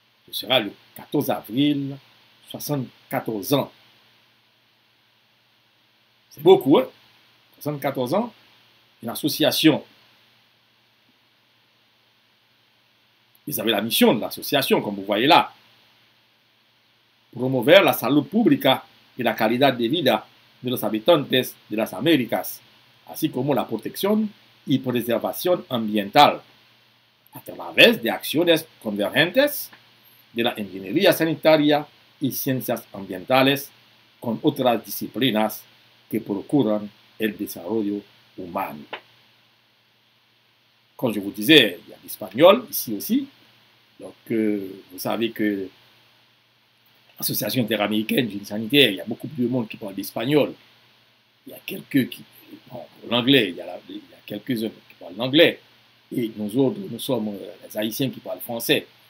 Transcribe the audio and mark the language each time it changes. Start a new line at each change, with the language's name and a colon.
French: Ce sera le 14 avril, 74 ans. C'est beaucoup, hein? 74 ans, une association. Ils avaient la mission de l'association, comme vous voyez là.
Spanish: Promover la salud pública y la calidad de vida de los habitantes de las Américas, así como la protección y preservación ambiental, a través de acciones convergentes de la ingeniería sanitaria y ciencias ambientales con otras disciplinas que procuran el desarrollo humano.
French: Comme je vous disais, il y a l'espagnol ici aussi. Donc, vous savez que l'Association interaméricaine d'hygiène sanitaire, il y a beaucoup plus de monde qui parle l'espagnol. Il y a quelques qui. Bon, l'anglais, il y a quelques-uns qui parlent l'anglais. Et nous autres, nous sommes les Haïtiens qui parlent français.